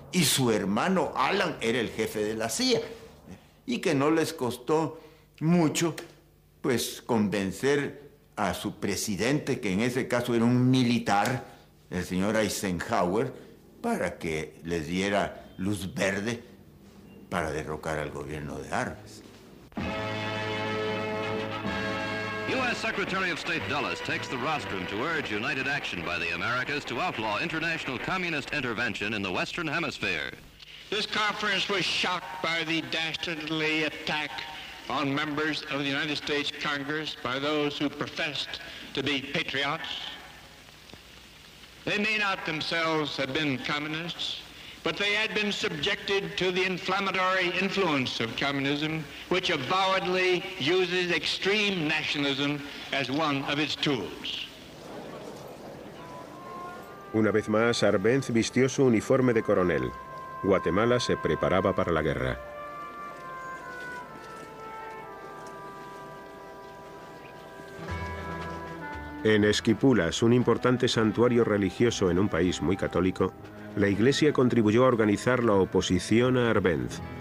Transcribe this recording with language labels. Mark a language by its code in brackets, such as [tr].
[es] Y su hermano Alan era el jefe de la CIA. Y que no les costó mucho, pues, convencer a su presidente, que en ese caso era un militar, el señor Eisenhower, para que les diera luz verde para derrocar al gobierno de Arbenz. [en] U.S. Secretary of State Dulles takes the rostrum to urge united action by the Americas to outlaw international communist intervention in the Western Hemisphere. This conference was shocked by the dastardly attack on members of the United States Congress by those who professed to be patriots. They may not themselves have been communists, but they had been subjected to the inflammatory influence of communism, which avowedly uses extreme nationalism as one of its tools. [es] Una vez más, Arbenz vistió su uniforme de coronel. Guatemala se preparaba para la guerra. En Esquipulas, un importante santuario religioso en un país muy católico, la iglesia contribuyó a organizar la oposición a Arbenz.